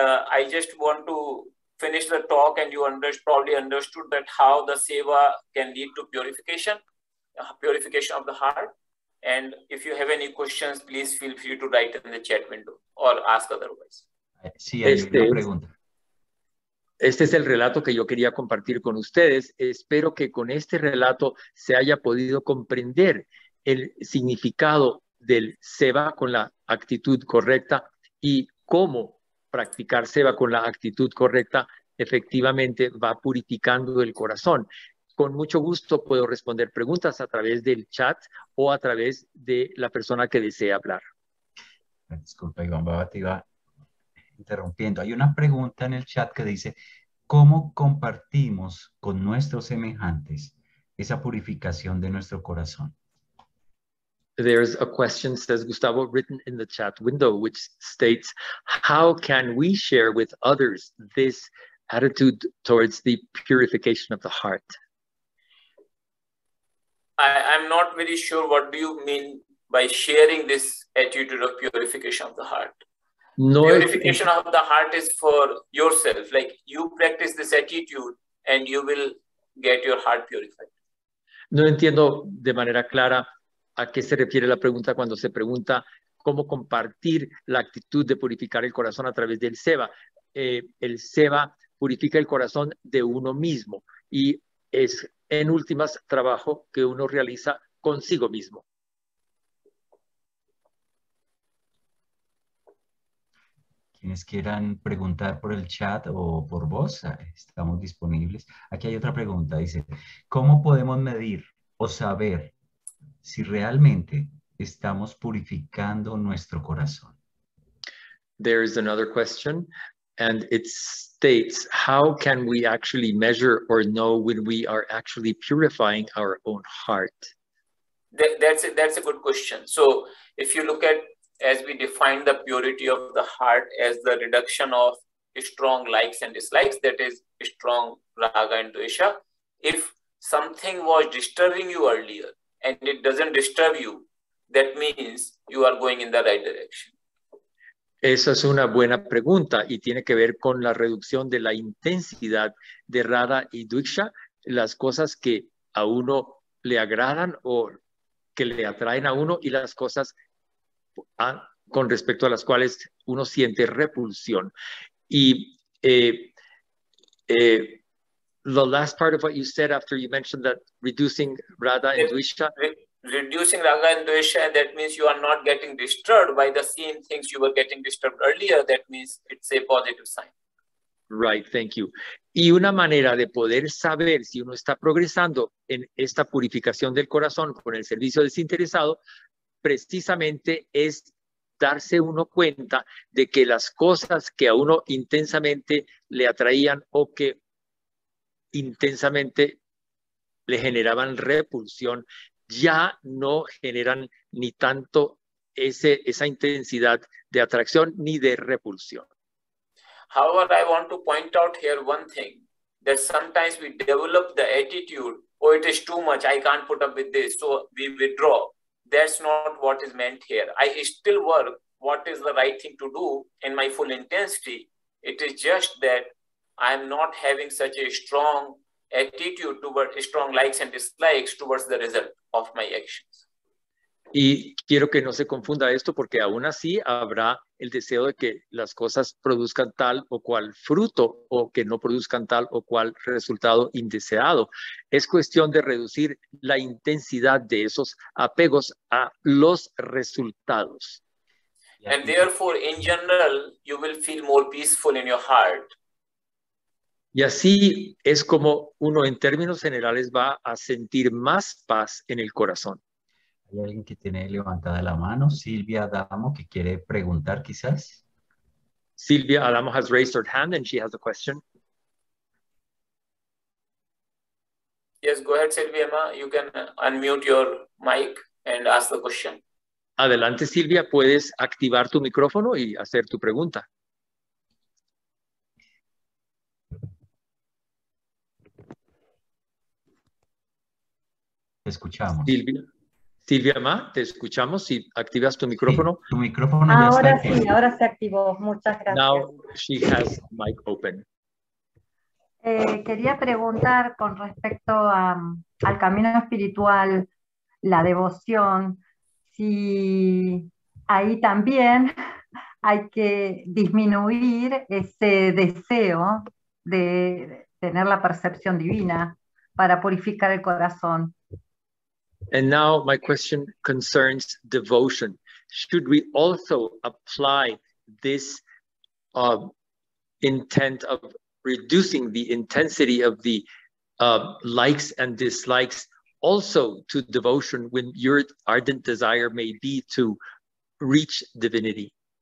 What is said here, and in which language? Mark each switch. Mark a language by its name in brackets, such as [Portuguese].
[English] I just want to finish the talk and you probably understood that how the seva can lead to purification of the heart. And if you have any questions, please feel free to write in the chat window or ask otherwise. [Spanish] Sí, hay una pregunta. Este es el relato que yo quería compartir con ustedes. Espero que con este relato se haya podido comprender el significado del seva con la actitud correcta y cómo practicar seva con la actitud correcta efectivamente va purificando el corazón. Con mucho gusto puedo responder preguntas a través del chat o a través de la persona que desee hablar. Disculpa, Iván Baba, te iba interrumpiendo. Hay una pregunta en el chat que dice, ¿cómo compartimos con nuestros semejantes esa purificación de nuestro corazón? [English] There's a question, says Gustavo, written in the chat window, which states, how can we share with others this attitude towards the purification of the heart? I'm not very sure what do you mean by sharing this attitude of purification of the heart. No, purification of the heart is for yourself. Like you practice this attitude and you will get your heart purified. [Spanish] No entiendo de manera clara a qué se refiere la pregunta cuando se pregunta cómo compartir la actitud de purificar el corazón a través del seva. El seva purifica el corazón de uno mismo y es en últimas trabajo que uno realiza consigo mismo. Quienes quieran preguntar por el chat o por voz, estamos disponibles. Aquí hay otra pregunta, dice, ¿cómo podemos medir o saber si realmente estamos purificando nuestro corazón? [English] There is another question, and it states, how can we actually measure or know when we are actually purifying our own heart? That's a good question. So if you look at as we define the purity of the heart as the reduction of strong likes and dislikes, that is strong raga and dvesha. If something was disturbing you earlier and it doesn't disturb you, that means you are going in the right direction. [Spanish] Esa es una buena pregunta y tiene que ver con la reducción de la intensidad de raga y dvesha, las cosas que a uno le agradan o que le atraen a uno y las cosas con respecto a las cuales uno siente repulsión. [English] Y the last part of what you said after you mentioned that reducing raga and dvesha. Reducing raga and dvesha, and that means you are not getting disturbed by the same things you were getting disturbed earlier. That means it's a positive sign. Right, thank you. [Spanish] Y una manera de poder saber si uno está progresando en esta purificación del corazón con el servicio desinteresado, precisamente es darse uno cuenta de que las cosas que a uno intensamente le atraían o que intensamente le generaban repulsión, ya no generan ni tanto esa intensidad de atracción ni de repulsión. [English] However, I want to point out here one thing, that sometimes we develop the attitude, oh, it is too much, I can't put up with this, so we withdraw. That's not what is meant here. I still work what is the right thing to do in my full intensity. It is just that I am not having such a strong attitude toward strong likes and dislikes towards the result of my actions. [Spanish] Y quiero que no se confunda esto, porque aún así habrá el deseo de que las cosas produzcan tal o cual fruto o que no produzcan tal o cual resultado indeseado. Es cuestión de reducir la intensidad de esos apegos a los resultados. [English] And therefore, in general, you will feel more peaceful in your heart. [Spanish] Y así es como uno en términos generales va a sentir más paz en el corazón. ¿Hay alguien que tiene levantada la mano? Silvia Adamo, que quiere preguntar quizás. [English] Silvia Adamo has raised her hand and she has a question. Yes, go ahead, Silvia. You can unmute your mic and ask the question. [Spanish] Adelante, Silvia. Puedes activar tu micrófono y hacer tu pregunta. Te escuchamos. Silvia Ma, te escuchamos. Si activas tu micrófono. Sí, tu micrófono ahora ya está. Sí, ahora se activó. Muchas gracias. [English] Now she has mic open. [Spanish] Quería preguntar con respecto al camino espiritual, la devoción, si ahí también hay que disminuir ese deseo de tener la percepción divina para purificar el corazón. [English] And now my question concerns devotion. Should we also apply this intent of reducing the intensity of the likes and dislikes also to devotion when your ardent desire may be to reach divinity?